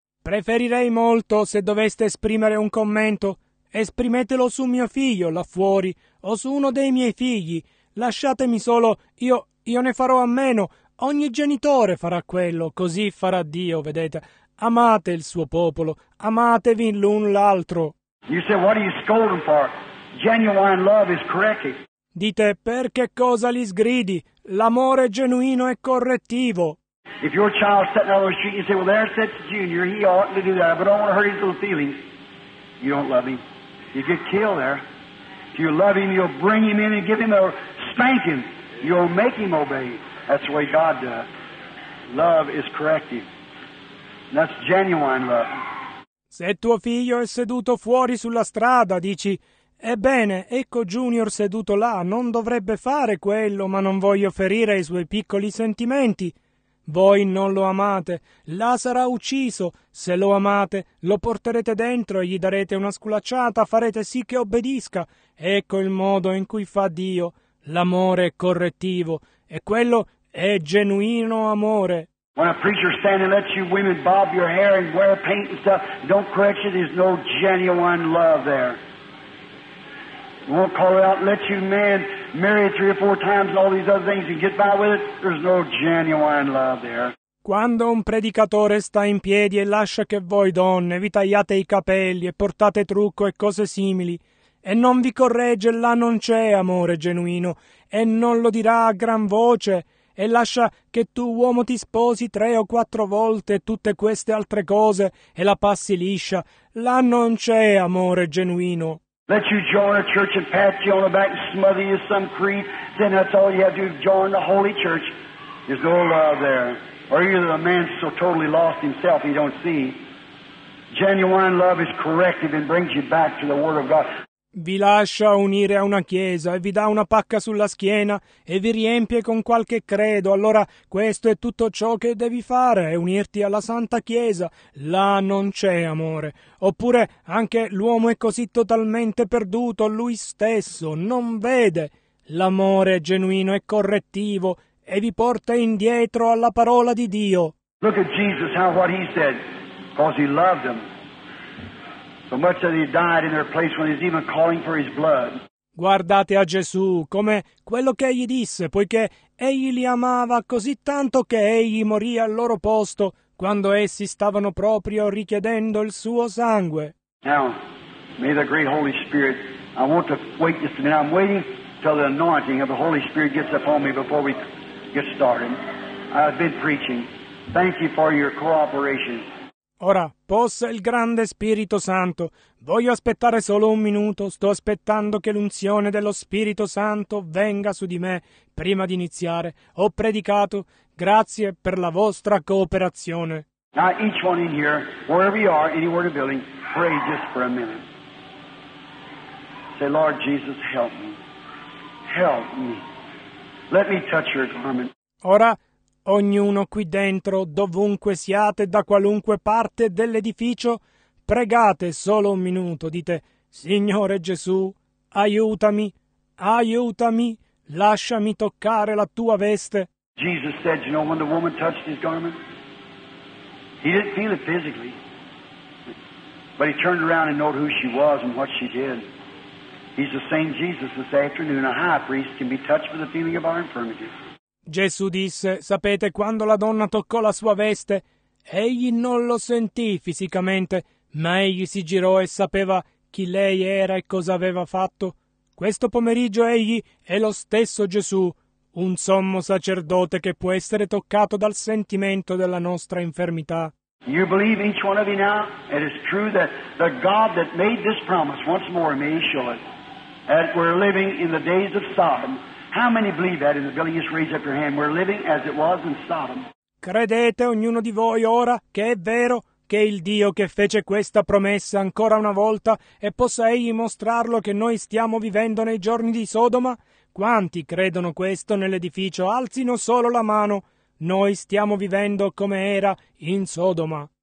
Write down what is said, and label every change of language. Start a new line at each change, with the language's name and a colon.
Italian: Preferirei molto se doveste esprimere un commento. Esprimetelo su mio figlio là fuori o su uno dei miei figli. Lasciatemi solo, io ne farò a meno. Ogni genitore farà quello, così farà Dio, vedete. Amate il suo popolo, amatevi l'un l'altro.
English: You say, what are you scolding for? Genuine love is correcting.
Italian: Dite, per che cosa li sgridi? L'amore genuino è correttivo.
English: If your child's sitting out on the street, you say, well, there sits Junior, he ought to do that, but I don't want to hurt his little feelings. You don't love him. You get killed there. If you love him, you'll bring him in and give him a spank him. You'll make him obey. That's the way God does. Love is corrective. That's genuine love.
Italian: Se tuo figlio è seduto fuori sulla strada, dici, ebbene, ecco Junior seduto là, non dovrebbe fare quello, ma non voglio ferire i suoi piccoli sentimenti. Voi non lo amate, là sarà ucciso. Se lo amate, lo porterete dentro e gli darete una sculacciata, farete sì che obbedisca. Ecco il modo in cui fa Dio. L'amore è correttivo, e quello è genuino amore.
English: When a preacher stands and lets you women bob your hair and wear paint and stuff, don't correct you, there's no genuine love there. Won't call it out, let you man marry three or four times and all these other things and get by with it. There's no genuine love there.
Italian: Quando un predicatore sta in piedi e lascia che voi donne vi tagliate i capelli e portate trucco e cose simili e non vi corregge, là non c'è amore genuino e non lo dirà a gran voce e lascia che tu uomo ti sposi tre o quattro volte tutte queste altre cose e la passi liscia, là non c'è amore genuino.
English: Let you join a church and pat you on the back and smother you some creed, then that's all you have to do, join the holy church. There's no love there. Or either the man's so totally lost himself he don't see. Genuine love is corrective and brings you back to the Word of God.
Italian: Vi lascia unire a una chiesa e vi dà una pacca sulla schiena e vi riempie con qualche credo, allora questo è tutto ciò che devi fare, è unirti alla Santa Chiesa. Là non c'è amore. Oppure anche l'uomo è così totalmente perduto, lui stesso non vede. L'amore è genuino e correttivo e vi porta indietro alla parola di Dio.
English: Look at Jesus, how what he said, because he loved him. So much that he died in their place when he's even calling for his blood.
Italian: Guardate a Gesù, come quello che egli disse, poiché egli li amava così tanto che egli morì al loro posto quando essi stavano proprio richiedendo il suo sangue.
English: Now, may the great Holy Spirit, I want to wait just a minute. I'm waiting till the anointing of the Holy Spirit gets upon me before we get started. I've been preaching. Thank you for your cooperation.
Italian: Ora, possa il grande Spirito Santo, voglio aspettare solo un minuto, sto aspettando che l'unzione dello Spirito Santo venga su di me prima di iniziare. Ho predicato, grazie per la vostra cooperazione.
English: Now each one in here, wherever you are, anywhere in the building, pray just for a minute. Say, Lord Jesus, help me. Help me. Let me touch your garment.
Italian: Ora, ognuno qui dentro, dovunque siate, da qualunque parte dell'edificio, pregate solo un minuto, dite, Signore Gesù, aiutami, aiutami, lasciami toccare la tua veste.
English: Jesus said, you know, when the woman touched his garment, he didn't feel it physically, but he turned around and noted who she was and what she did. He's the same Jesus this afternoon. A high priest can be touched with the feeling of our infirmities.
Italian: Gesù disse, sapete, quando la donna toccò la sua veste, egli non lo sentì fisicamente, ma egli si girò e sapeva chi lei era e cosa aveva fatto. Questo pomeriggio egli è lo stesso Gesù, un sommo sacerdote che può essere toccato dal sentimento della nostra infermità.
English: You believe each one of you now? It is true that the God that made this promise once more, may he show it, that we're living in the days of Sodom. How many believe that in the building? Just raise up your hand. We're living as it was in Sodom.
Italian: Credete ognuno di voi ora che è vero che il Dio che fece questa promessa ancora una volta e possa egli mostrarlo che noi stiamo vivendo nei giorni di Sodoma? Quanti credono questo nell'edificio? Alzino solo la mano. Noi stiamo vivendo come era in Sodoma.